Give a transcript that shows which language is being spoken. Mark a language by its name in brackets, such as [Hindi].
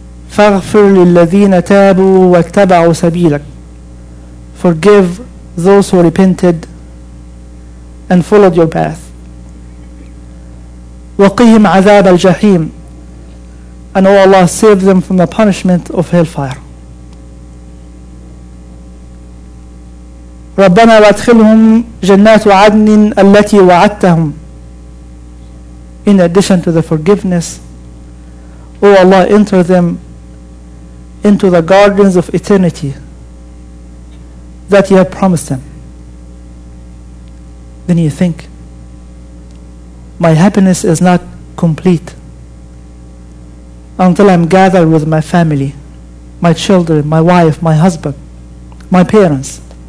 [Arabic] فَغْفِرْ لِلَّذِينَ تَابُوا وَاتَّبَعُوا سَبِيلَكَ. [English] Forgive those who repented and followed your path. [Arabic] وَقِهِمْ عَذَابَ الْجَحِيمِ. [English] And oh Allah, save them from the punishment of hellfire. [Arabic] ربنا وادخلهم جنات عدن التي وعدتهم. [English] In addition to the forgiveness, O Allah, enter them into the gardens of eternity that you have promised them. Then you think, my happiness is not complete until I'm gathered with my family, my children, my wife, my husband, my parents.